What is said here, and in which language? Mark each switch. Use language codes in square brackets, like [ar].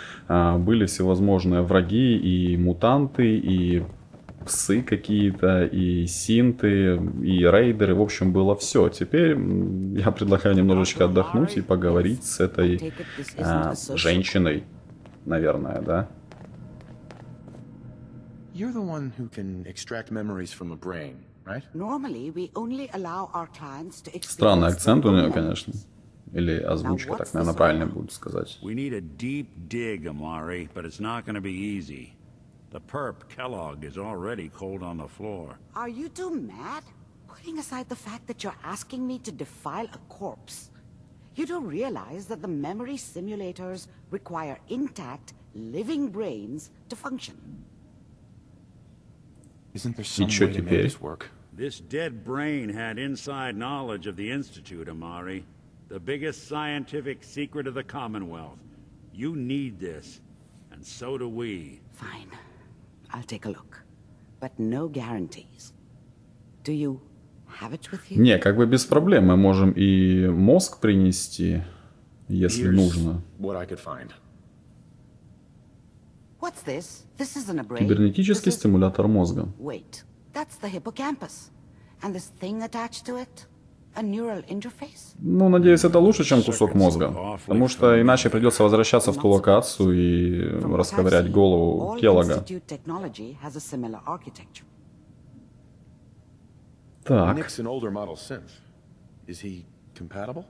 [ru] Были всевозможные враги и мутанты, и псы какие-то, и синты, и рейдеры, в общем, было все. Теперь я предлагаю немножечко отдохнуть и поговорить с этой женщиной, наверное, да? [en] You're the one who can extract memories from a brain, right? Normally we only allow our clients to experience. [ru] Странный акцент у нее, конечно. Или озвучка, так, наверное, правильно будет сказать. [en] We need a deep dig, Amari, but it's not gonna be easy. The perp Kellogg is already cold on the floor. Are you too mad? Putting aside the fact that you're asking me to defile a corpse, you don't realize that the memory simulators require intact, living brains to function. Isn't there some way to make this work? This dead brain had inside knowledge of the Institute, Amari. The biggest scientific secret of the Commonwealth. You need this, and so do we. Fine. I'll take a look, but no guarantees. Do you have it with you? [ru] Не, как бы без проблем, мы можем и мозг принести, если нужно. [en] What I could find. What's this? This isn't a brain. [ru] Кибернетический стимулятор мозга. [en] Wait, that's the hippocampus, and this thing attached to it, a neural interface. [ru] Ну, надеюсь, это лучше, чем кусок мозга, потому что иначе придется возвращаться в ту локацию и расковырять голову Келлога. Так. [en] Nick's an older model synth. Is he compatible?